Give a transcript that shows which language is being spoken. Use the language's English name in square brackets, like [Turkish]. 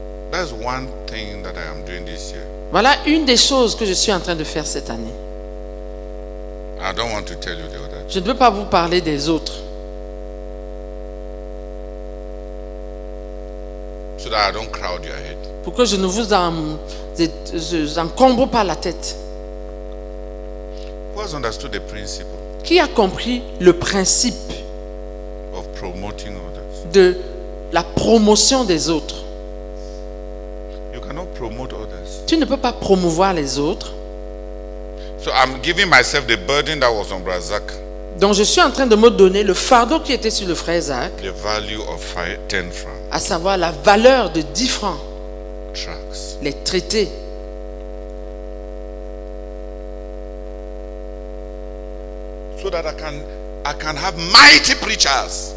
[English] That's one thing that I am doing this year. [French] Voilà une des choses que je suis en train de faire cette année. [English] I don't want to tell you the other. [French] Je ne veux pas vous parler des autres. [English] So that I don't crowd your head. [French] Pour que je ne vous encombre pas la tête. [English] Who has understood the principle? [French] Qui a compris le principe [English] of promoting others? [French] De la promotion des autres. [English] You cannot promote others. [French] Tu ne peux pas promouvoir les autres. [English] So I'm giving myself the burden that was on Brother Zach. [French] Donc je suis en train de me donner le fardeau qui était sur le frère Zach. [English] The value of 10 francs. [French] À savoir la valeur de 10 francs. [English] Tracks. [French] Les traités. [English] So that I can have mighty preachers.